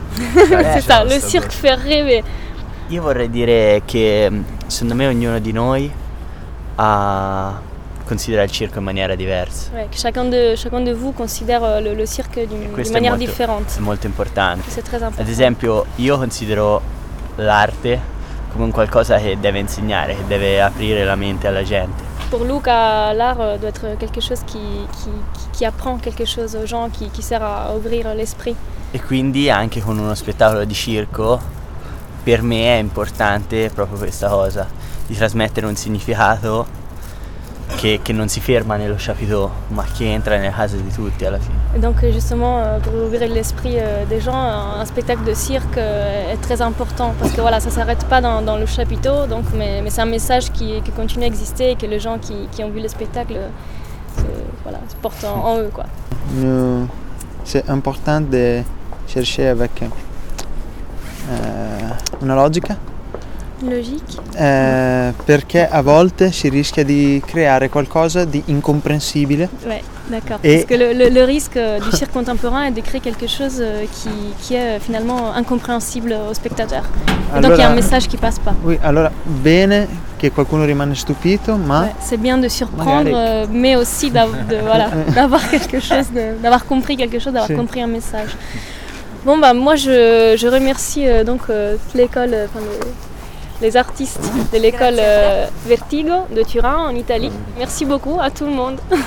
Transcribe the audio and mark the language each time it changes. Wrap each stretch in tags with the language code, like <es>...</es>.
<fr>C'est ça, le cirque fait rêver.</fr> <it>Io vorrei dire che, secondo me, ognuno di noi ha considera il circo in maniera diversa.</it> <fr>Ouais, chacun de vous considère le cirque d'une maniera</fr> <it>molto,</it> <fr>différente.</fr> <it>È molto importante.</it> <fr>C'est très important.</fr> <it>Ad esempio, io considero l'arte come qualcosa che deve insegnare, che deve aprire la mente alla gente. Per Luca l'arte deve essere qualcosa che apprend qualcosa ai gens, che serve a aprire l'esprit. E quindi anche con uno spettacolo di circo, per me è importante proprio questa cosa, di trasmettere un significato che non si ferma nello chapiteau, ma che entra nella casa di tutti alla fine.</it> <fr>Et donc justement pour ouvrir l'esprit des gens, un spectacle de cirque est très important parce que voilà, ça s'arrête pas dans le chapiteau, donc mais c'est un message qui continue à exister et que les gens qui ont vu le spectacle se portent en eux quoi. C'est important de chercher avec</fr> <it>una logica.</it> <fr>Logique.</fr> <it>Perché a volte si rischia di creare qualcosa di incomprensibile.</it> <fr>Ouais. D'accord, et parce que le risque du cirque contemporain est de créer quelque chose qui est finalement incompréhensible au spectateur. Allora, donc il y a un message qui passe pas. Oui, alors,</fr> <it>bene che qualcuno rimane stupito, ma</it> <fr>ouais, c'est bien de surprendre, magari... mais aussi d'avoir quelque chose, d'avoir compris quelque chose, d'avoir compris un message. Bon, bah, moi je remercie toute l'école, les artistes de l'école Vertigo de Turin en Italie. Merci beaucoup à tout le monde.</fr>